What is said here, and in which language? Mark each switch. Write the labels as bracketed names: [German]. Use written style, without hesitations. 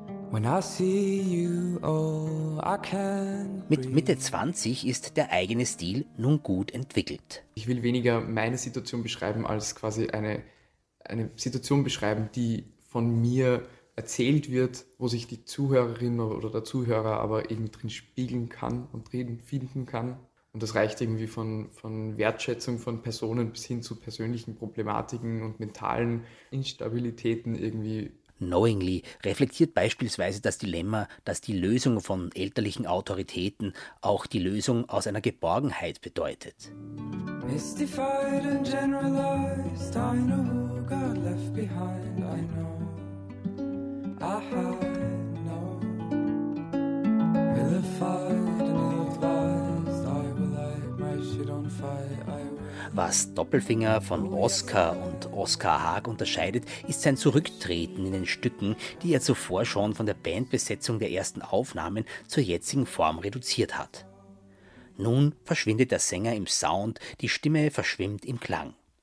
[English] When I see you, oh, I can't breathe. [German] Mit Mitte 20 ist der eigene Stil nun gut entwickelt. Ich will weniger meine Situation beschreiben, als quasi eine Situation beschreiben, die von mir erzählt wird, wo sich die Zuhörerin oder der Zuhörer aber eben drin spiegeln kann und drin finden kann. Und das reicht irgendwie von Wertschätzung von Personen bis hin zu persönlichen Problematiken und mentalen Instabilitäten irgendwie. Knowingly reflektiert beispielsweise das Dilemma, dass die Lösung von elterlichen Autoritäten auch die Lösung aus einer Geborgenheit bedeutet. [English] Mystified and generalized, I know who got left behind, I know, I have no. Vilified and ill-advised, I will light my shit on fire, I will. [German] Was Doppelfinger von Oscar und Oscar Haag unterscheidet, ist sein Zurücktreten in den Stücken, die er zuvor schon von der Bandbesetzung der ersten Aufnahmen zur jetzigen Form reduziert hat. Nun verschwindet der Sänger im Sound, die Stimme verschwimmt im Klang.